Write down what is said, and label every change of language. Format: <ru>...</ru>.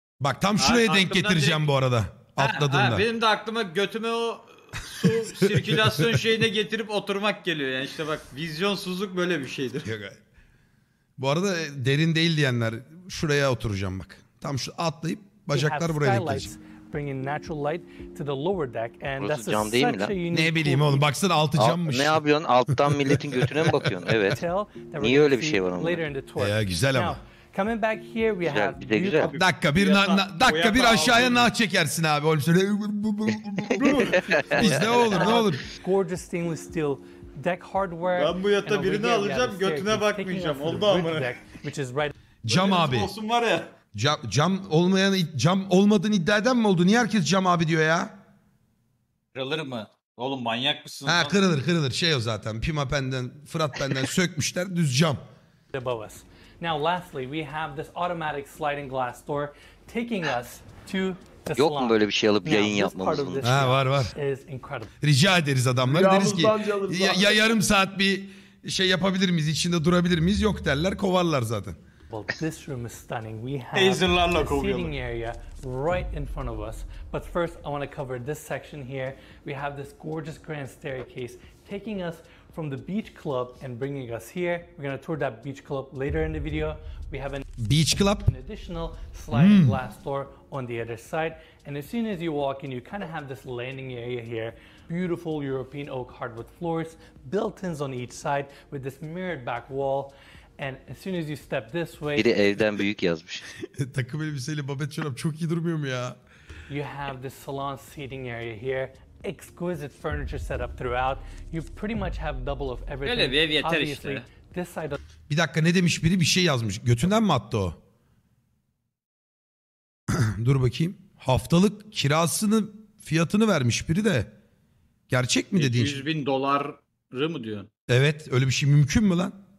<tr>Bak tam şuraya denk getireceğim direkt... bu arada. Atladığında. Benim de aklıma götüme o su sirkülasyon şeyine getirip oturmak geliyor. Yani işte bak vizyonsuzluk böyle bir şeydir. Yok, bu arada derin değil diyenler şuraya oturacağım bak. Tam şu atlayıp bacaklar buraya gideceğim.</tr> <en>Bringing natural light to the lower deck and</en> <tr>burası</tr> <en>that's</en> <tr>cam değil mi lan? Ne bileyim oğlum, baksana altı cammış. Ne yapıyorsun? Alttan milletin götüne mi bakıyorsun? Evet. Niye öyle bir şey var onunla? Ya güzel ama.</tr> <en>Coming back here we have</en> <tr>bir dakika bir dakika bir aşağıya nah çekersin abi oğlum şöyle. Biz ne olur ne olur.</tr> <en>Gorgeous stainless steel deck hardware.</en> <tr>Ben bu yatta birini alacağım, götüne bakmayacağım. Oldu amına. Cam abi. Olsun var ya. Cam olmayan, cam olmadığını iddia eden mi oldu? Niye herkes cam abi diyor ya? Kırılır mı? Oğlum manyak mısın? Ha, kırılır kırılır. Şey o zaten. Pima benden, Fırat benden sökmüşler. Düz cam.</tr> <en>Now lastly we have this automatic sliding glass door taking us to the</en> <tr>salon. Yok mu böyle bir şey alıp yayın yapmamız? Ha, var var. Rica ederiz adamlar. Deriz ki ya yarım saat bir şey yapabilir miyiz? İçinde durabilir miyiz? Yok derler, kovarlar zaten.</tr> <en>Well, this room is stunning. We have a seating area right in front of us. But first, I want to cover this section here. We have this gorgeous grand staircase taking us from the beach club and bringing us here. We're going to tour that beach club later in the video. We have an beach club, an additional sliding glass door on the other side. And as soon as you walk in, you kind of have this landing area here. Beautiful European oak hardwood floors, built-ins on each side with this mirrored back wall. And as soon as you step this way,</en> <tr>biri evden büyük yazmış. Takım elbiseyle babet çorap çok iyi durmuyor mu ya?</tr> <en>You have the salon seating area here, exquisite furniture set up throughout. You pretty much have double of everything.</en> <tr>Öyle bir ev yeter işte.</tr> <en>This side of...</en> <tr>Bir dakika, ne demiş biri, bir şey yazmış. Götünden mi attı o? Dur bakayım. Haftalık kirasını, fiyatını vermiş biri de. Gerçek mi dediğin? 200 bin doları mı diyorsun? Evet, öyle bir şey mümkün mü lan?</tr>